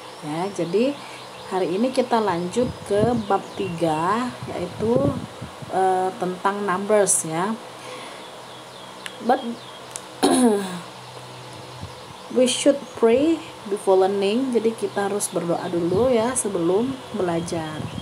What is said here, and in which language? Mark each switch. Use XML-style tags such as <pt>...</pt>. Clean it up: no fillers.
<id>Ya, jadi hari ini kita lanjut ke bab 3 yaitu tentang numbers ya.</id> <en>But we should pray before learning.</en> <id>Jadi kita harus berdoa dulu ya sebelum belajar.</id>